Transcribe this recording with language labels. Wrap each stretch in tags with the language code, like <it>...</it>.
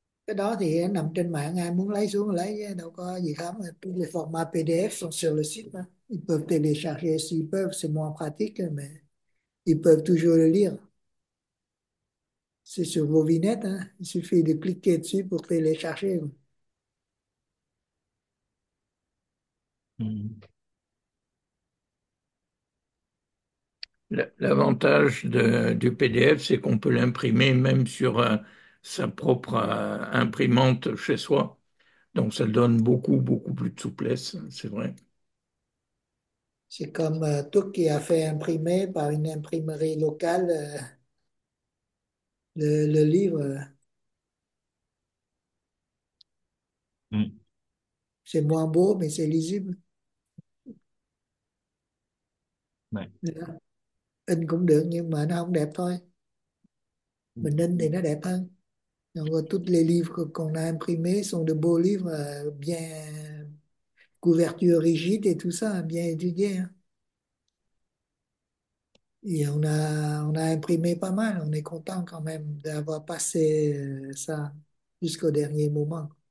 <vi>Cái đó thì nằm trên mạng, ai muốn lấy xuống lấy, đâu có gì khác.</vi> <fr>Les formats PDF sont sur le site. Hein. Ils peuvent télécharger s'ils peuvent, c'est moins pratique, mais ils peuvent toujours le lire. C'est sur vos vignettes, hein. Il suffit de cliquer dessus pour télécharger. L'avantage du PDF, c'est qu'on peut l'imprimer même sur sa propre imprimante chez soi. Donc ça donne beaucoup, beaucoup plus de souplesse, c'est vrai. C'est comme tout qui a fait imprimer par une imprimerie locale le livre. C'est moins beau, mais c'est lisible.</fr> <vi>In cũng được, nhưng mà nó không đẹp thôi. Mình in thì nó đẹp hơn.</vi> <fr>Donc, tous les livres qu'on a imprimés sont de beaux livres, bien couverture rigide et tout ça, bien étudié. Hein. Et on a imprimé pas mal, on est content quand même d'avoir passé ça jusqu'au dernier moment.</fr>